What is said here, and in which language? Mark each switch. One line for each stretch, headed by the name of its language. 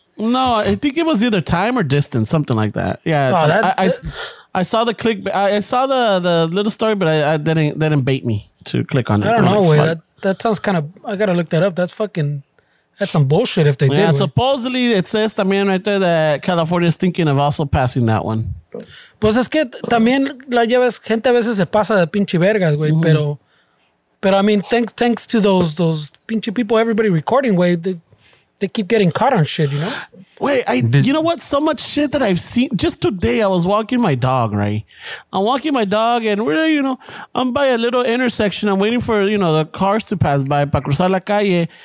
English: No, I think it was either time or distance, something like that. Yeah. I saw the click. I saw the little story, but I didn't bait me to click on it. I don't know. Way. That sounds kind of... I got to look that up. That's fucking... That's some bullshit if they did. Yeah, supposedly it says también right there that California is thinking of also passing that one.
Spanish: Pues es que también la llevas, gente a veces se pasa de pinche vergas, güey, mm-hmm.
English: pero I mean, thanks to those pinche people, everybody recording, güey, they keep getting caught on shit, you know? Wait, you know what? So much shit that I've seen. Just today, I was walking my dog, right? I'm walking my dog and we're, you know, I'm by a little intersection. I'm waiting for, you know, the cars to pass by
Spanish: para cruzar la calle.